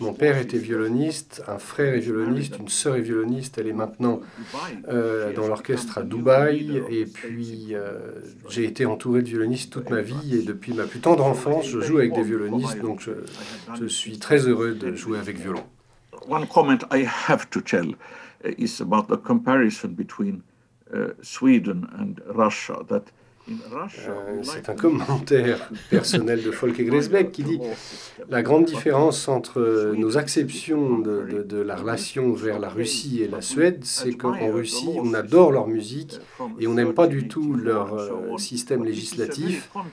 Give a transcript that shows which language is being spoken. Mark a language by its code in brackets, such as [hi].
[fr] Mon père était violoniste, un frère est violoniste, une sœur est violoniste. Elle est maintenant dans l'orchestre à Dubaï. Et puis j'ai été entouré de violonistes toute ma vie. Et depuis ma plus tendre enfance, je joue avec des violonistes. Donc je suis très heureux de jouer avec violon. [en] One comment I have to tell is about the comparison between Sweden and Russia, that [fr] C'est un commentaire personnel de Folke Griesbeck qui dit « La grande différence entre nos acceptions de la relation vers la Russie et la Suède, c'est qu'en Russie, on adore leur musique et on n'aime pas du tout leur système législatif,